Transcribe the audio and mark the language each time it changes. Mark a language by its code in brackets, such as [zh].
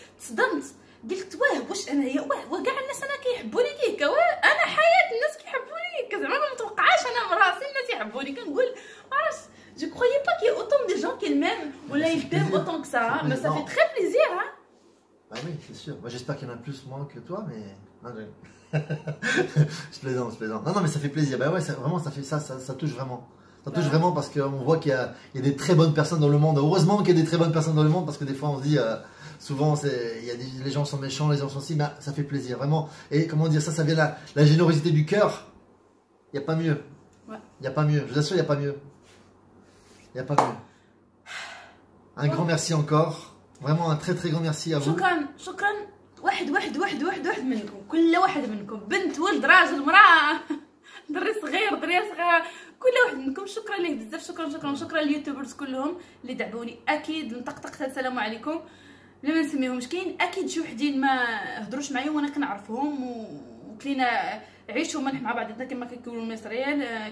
[ar] تصدمت, قلت واه واش انا هي واه وكاع الناس انا كيحبوني هكا, انا حياه الناس كيحبوني هكا زعما ما متوقعاش انا مراسي الناس يحبوني. كنقول عرفت [fr] جو كرويي با كي اوتون دي جون كي ميم ولا يفتم اوتون كسا, ما سافي تري بليزير. Bah oui, c'est sûr. Moi, j'espère qu'il y en a plus moins que toi, mais. Non, je plaisante. Non, mais ça fait plaisir. Bah ouais, ça touche vraiment. Ça touche vraiment parce qu'on voit qu'il y a des très bonnes personnes dans le monde. Heureusement qu'il y a des très bonnes personnes dans le monde, parce que des fois, on se dit, souvent, les gens sont méchants, les gens sont si, mais ça fait plaisir, vraiment. Et comment dire, ça vient de la générosité du cœur. Il n'y a pas mieux. Ouais. Il n'y a pas mieux. Je vous assure, il n'y a pas mieux. Un grand merci encore. Vraiment un très très grand merci à vous. [ar] شكرا واحد منكم, كل واحد منكم, بنت ولد راجل مراه دري صغير, كل واحد منكم شكرا ليه بزاف. شكرا اليوتيوبرز كلهم اللي دعبوني. اكيد نطقطقت السلام عليكم بلا ما نسميهمش, كاين اكيد شي وحدين ما هضروش معايا وانا كنعرفهم وكلينا عيشوا مليح مع بعضنا كما كيقولوا المصريين.